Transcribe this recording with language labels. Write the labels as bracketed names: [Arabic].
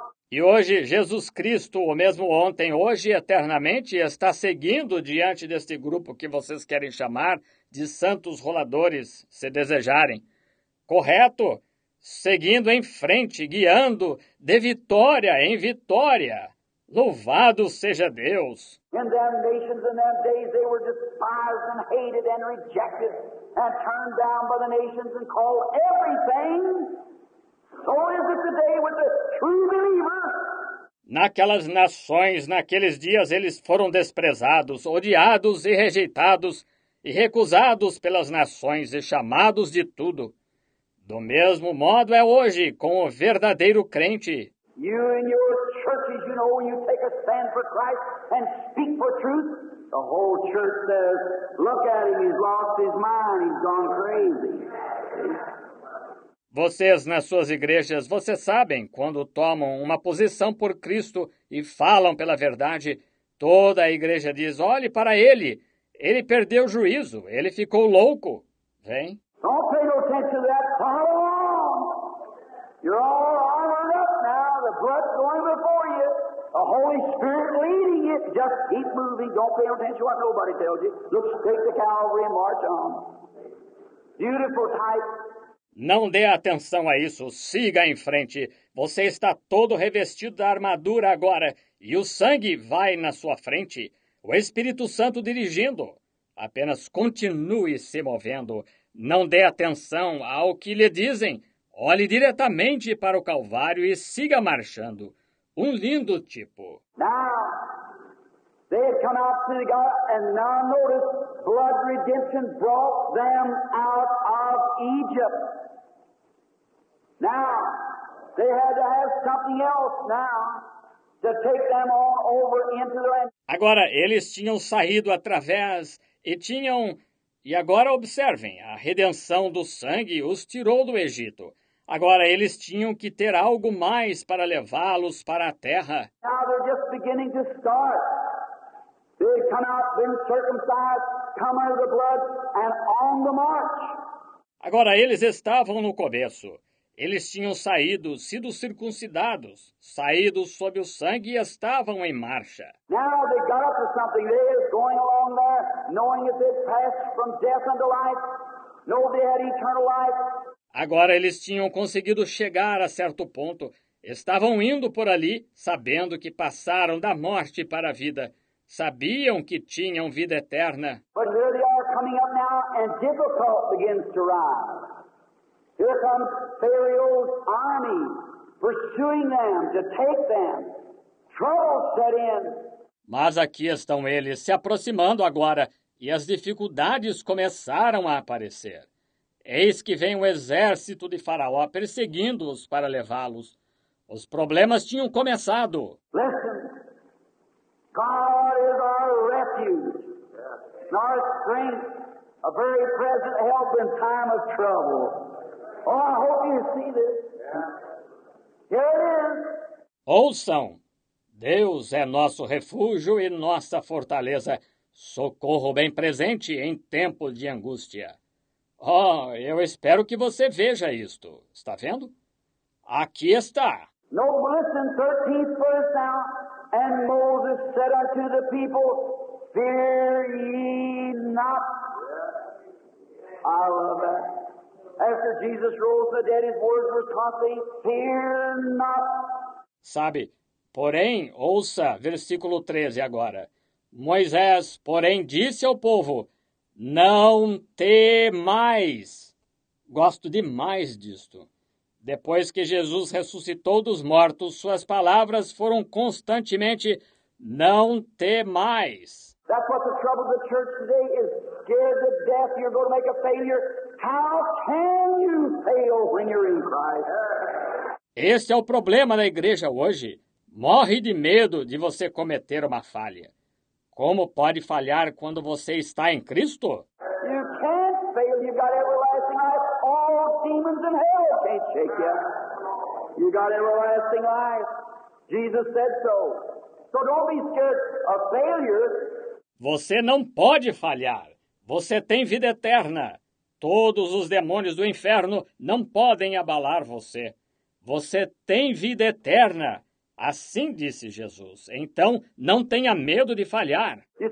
[Portuguese] E hoje, Jesus Cristo, o mesmo ontem, hoje e eternamente, está seguindo diante deste grupo que vocês querem chamar de santos roladores, se desejarem. Correto? Seguindo em frente, guiando, de vitória em vitória. Louvado seja Deus! [English] In them nations, in them days, they were despised and hated and rejected and turned down by the nations and called everything. So is it today with the true believer. [Portuguese] Naquelas nações, naqueles dias, eles foram desprezados, odiados e rejeitados, e recusados pelas nações e chamados de tudo. Do mesmo modo é hoje com o verdadeiro crente. [English] You and your churches, you know, when you take a stand for Christ and speak for truth, the whole church says, look at him, he's lost his mind, he's gone crazy. [Portuguese] Vocês, nas suas igrejas, vocês sabem, quando tomam uma posição por Cristo e falam pela verdade, toda a igreja diz, olhe para ele, ele perdeu o juízo, ele ficou louco. Vem. [English] Don't pay no attention to that, follow along. You're all armored up now, the blood's going before you, the Holy Spirit leading you. Just keep moving, don't pay no attention to what nobody tells you. Look straight to Calvary and march on. Beautiful type. [Portuguese] Não dê atenção a isso, siga em frente. Você está todo revestido da armadura agora, e o sangue vai na sua frente, o Espírito Santo dirigindo. Apenas continue se movendo. Não dê atenção ao que lhe dizem. Olhe diretamente para o Calvário e siga marchando. Um lindo tipo. [English] Now, they have come out to God, and now notice, blood redemption brought them out of Egypt. Now, they had to have something else now to take them all over into the land. [Portuguese] Agora, eles tinham saído através e tinham... E agora, observem, a redenção do sangue os tirou do Egito. Agora, eles tinham que ter algo mais para levá-los para a terra. [English] Now, they're just beginning to start. They've come out, been circumcised, come under the blood, and on the march. [Portuguese] Agora, eles estavam no começo. Eles tinham saído, sido circuncidados, saído sob o sangue e estavam em marcha. [English] Now they got up to something. They were going along there, knowing that they passed from death unto life, know they had eternal life. [Portuguese] Agora eles tinham conseguido chegar a certo ponto. Estavam indo por ali, sabendo que passaram da morte para a vida. Sabiam que tinham vida eterna. [English] But here they are coming up now, and difficulty begins to rise. Here comes Pharaoh's army pursuing them to take them. Trouble set in. [Portuguese] Mas aqui estão eles se aproximando agora, e as dificuldades começaram a aparecer. Eis que vem o exército de Faraó perseguindo-os para levá-los. Os problemas tinham começado. [English] Listen. God is our refuge, our strength, a very present help in time of trouble. Oh, I hope you see this. Here it is. [Portuguese] Ouçam, Deus é nosso refúgio e nossa fortaleza, socorro bem presente em tempo de angústia. Oh, eu espero que você veja isto. Está vendo? Aqui está. [English] No, listen, 13th verse now. And Moses said unto the people, fear ye not. I love that. After Jesus rose the dead, his words were constantly, "Fear not." [Portuguese] Sabe, porém, ouça versículo 13 agora. Moisés, porém, disse ao povo, não temais. Gosto demais disto. Depois que Jesus ressuscitou dos mortos, suas palavras foram constantemente, não temais. [English] That's what the trouble of the church today is, scared to death, you're going to make a failure. How can you fail when you're in Christ? [Portuguese] Este é o problema da igreja hoje. Morre de medo de você cometer uma falha. Como pode falhar quando você está em Cristo? [English] You can't fail. You've got everlasting life. All demons in hell can't shake you. You've got everlasting life. Jesus said so. So don't be scared of failure. [Portuguese] Você não pode falhar. Você tem vida eterna. Todos os demônios do inferno não podem abalar você. Você tem vida eterna. Assim disse Jesus. Então, não tenha medo de falhar.